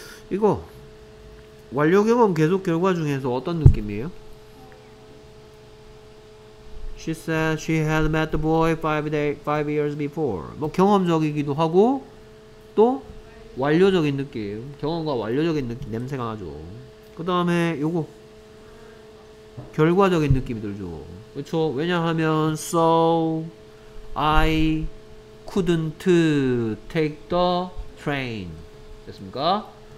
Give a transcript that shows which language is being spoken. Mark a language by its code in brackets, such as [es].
[ko] 이거 완료경험 계속 결과 중에서 어떤 느낌이에요? [en] She said she had met the boy five years before. [ko] 뭐 경험적이기도 하고 또 완료적인 느낌 경험과 완료적인 느낌 냄새가 나죠. 그 다음에 요거 결과적인 느낌이 들죠. 그쵸? 왜냐하면 [en] So I couldn't take the train. [ko] 됐습니까?